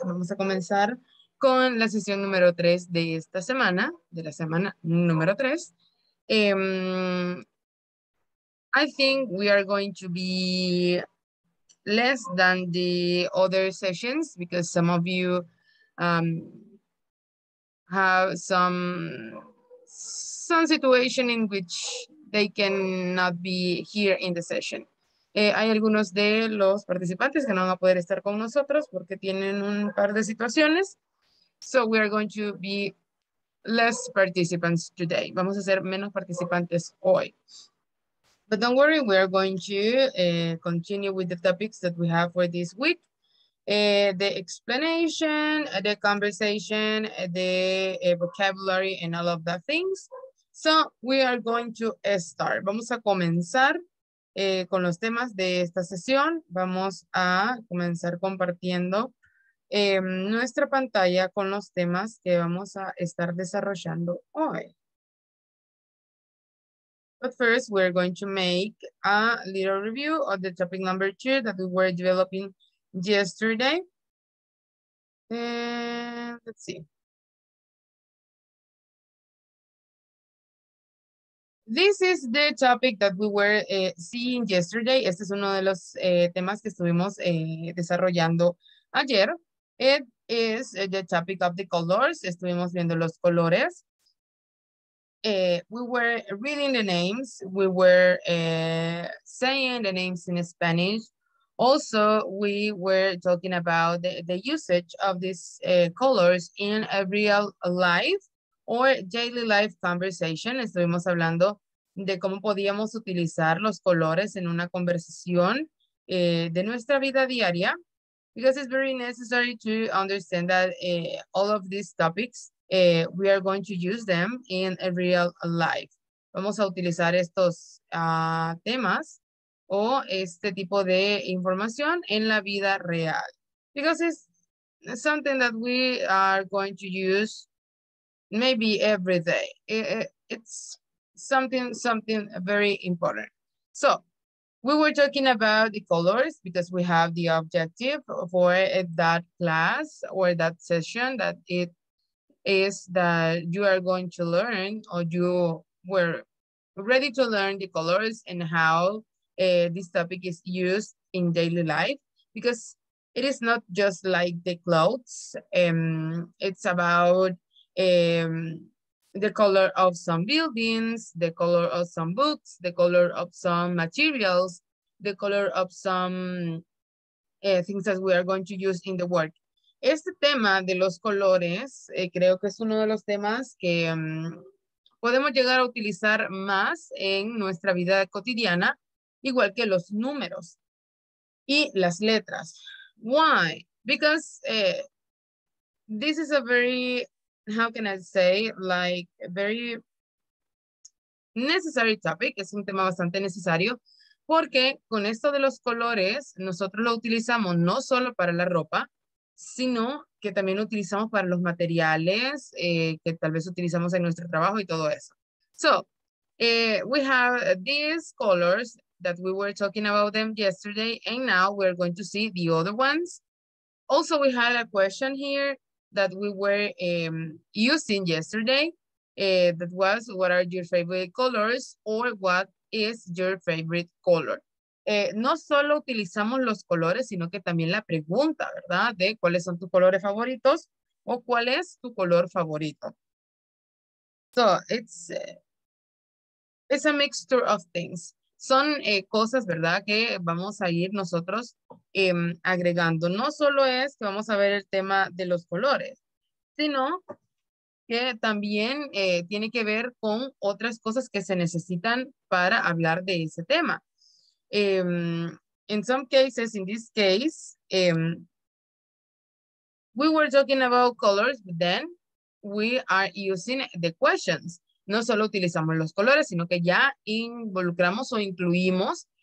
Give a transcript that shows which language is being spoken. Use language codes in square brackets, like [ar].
[es] Vamos a comenzar con la sesión número 3 de esta semana, de la semana número 3. [en] I think we are going to be less than the other sessions because some of you have some situation in which they cannot be here in the session. [es] Hay algunos de los participantes que no van a poder estar con nosotros porque tienen un par de situaciones. [en] So we are going to be less participants today. [es] Vamos a ser menos participantes hoy. [en] But don't worry, we are going to continue with the topics that we have for this week. The explanation, the conversation, the vocabulary, and all of the things. So we are going to start. [es] Vamos a comenzar con los temas de esta sesión. Vamos a comenzar compartiendo nuestra pantalla con los temas que vamos a estar desarrollando hoy. [en] But first, we're going to make a little review of the topic number 2 that we were developing yesterday. And let's see. This is the topic that we were seeing yesterday. [es] Este es uno de los temas que estuvimos desarrollando ayer. [en] It is the topic of the colors. [es] Estuvimos viendo los colores. [en] We were reading the names. We were saying the names in Spanish. Also, we were talking about the usage of these colors in a real life or daily life conversation. [es] Estuvimos hablando de cómo podíamos utilizar los colores en una conversación de nuestra vida diaria. [en] Because it's very necessary to understand that all of these topics we are going to use them in a real life. [es] Vamos a utilizar estos temas o este tipo de información en la vida real. [en] Because it's something that we are going to use maybe every day. It's something very important. So we were talking about the colors because we have the objective for that class or that session that it is that you are going to learn or you were ready to learn the colors and how this topic is used in daily life, because it is not just like the clothes. It's about the color of some buildings, the color of some books, the color of some materials, the color of some things that we are going to use in the work. [es] Este tema de los colores creo que es uno de los temas que podemos llegar a utilizar más en nuestra vida cotidiana, igual que los números y las letras. [en] Why? Because this is a very, how can I say, like very necessary topic. [es] Es un tema bastante necesario porque con esto de los colores nosotros lo utilizamos no solo para la ropa, sino que también utilizamos para los materiales que tal vez utilizamos en nuestro trabajo y todo eso. [en] So, we have these colors that we were talking about them yesterday, and now we're going to see the other ones. Also, we had a question here that we were using yesterday, that was, what are your favorite colors or what is your favorite color? [es] No solo utilizamos los colores, sino que también la pregunta, ¿verdad? De cuáles son tus colores favoritos o cuál es tu color favorito. [en] So, it's a mixture of things. [es] Son cosas, ¿verdad? Que vamos a ir nosotros agregando. No solo es que vamos a ver el tema de los colores, sino que también tiene que ver con otras cosas que se necesitan para hablar de ese tema. [en] In some cases, in this case, we were talking about colors, but then we are using the questions. [es] No solo utilizamos los colores, sino que ya involucramos o incluimos